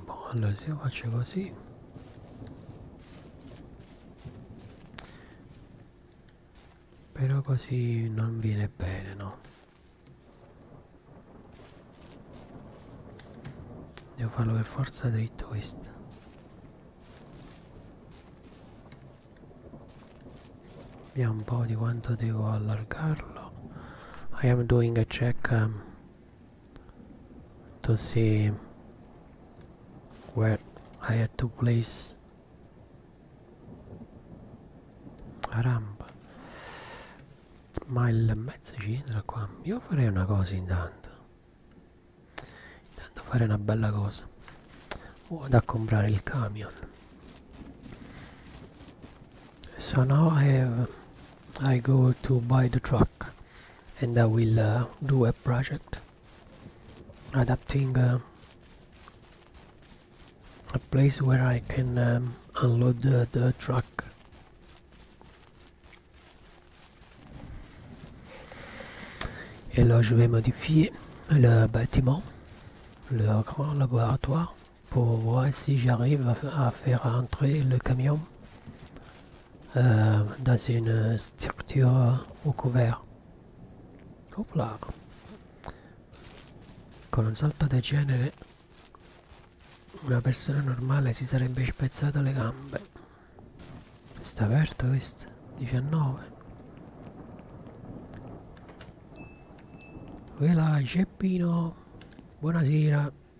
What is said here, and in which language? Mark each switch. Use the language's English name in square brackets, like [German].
[Italian] Allora, se io faccio così, però così non viene bene, no? Devo farlo per forza dritto questo. Vediamo un po' di quanto devo allargarlo. [English] I am doing a check to see where I had to place a ramp. [Italian] Ma il mezzo ci entra qua. Io farei una cosa intanto. Intanto farei una bella cosa. Vado a comprare il camion. [English] So now I go to buy the truck and I will do a project adapting a place where I can unload the truck. [French] Et là je vais modifier le bâtiment, le grand laboratoire, pour voir si j'arrive à faire entrer le camion dans une structure au couvert. Hop là. [Italian] Con un salto del genere una persona normale si sarebbe spezzata le gambe. Sta aperto questo? 19. Quella Ceppino. Buonasera.